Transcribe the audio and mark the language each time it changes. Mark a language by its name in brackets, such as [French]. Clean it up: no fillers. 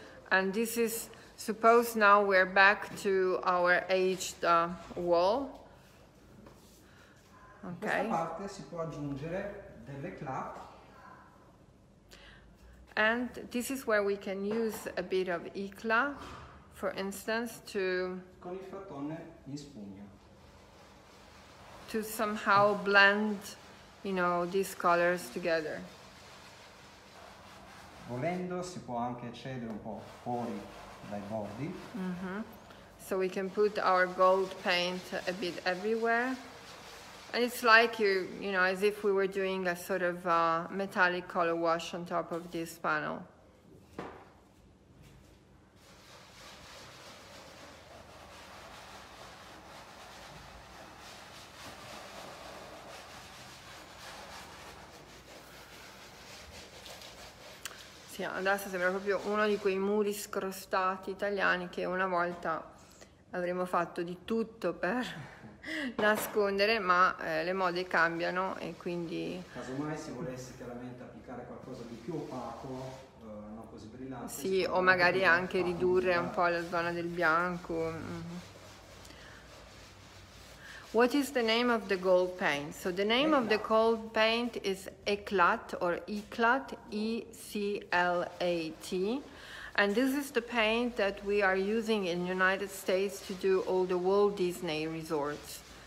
[English] And this is, suppose now we're back to our aged wall. Okay. [Italian] In questa parte si può aggiungere delle clap. [English] And this is where we can use a bit of ecla, for instance, to. [Italian] Con il frattone in spugna. [English] To somehow blend, you know, these colors together. [Italian] Volendo si può anche cedere un po' fuori dai bordi. [English] So we can put our gold paint a bit everywhere. And it's like you know, as if we were doing a sort of metallic color wash on top of this panel. [Italian] Sì, adesso sembra proprio uno di quei muri scrostati italiani che una volta avremmo fatto di tutto per nascondere, ma le mode cambiano e quindi. Casomai si volesse chiaramente applicare qualcosa di più opaco, non così brillante. Sì, o magari anche ridurre un po' la zona del bianco. [English] What is the name of the gold paint? So the name of the gold paint is Eclat or Eclat, E-C-L-A-T. And this is the paint that we are using in the United States to do all the Walt Disney resorts.